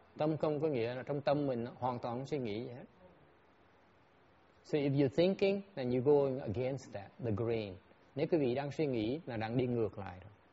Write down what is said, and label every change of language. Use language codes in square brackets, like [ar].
[vi] Tâm không có nghĩa là trong tâm mình hoàn toàn suy nghĩ gì hết. [en] So if you're thinking, then you're going against that, the grain. [vi] Nếu quý vị đang suy nghĩ là đang đi ngược lại rồi.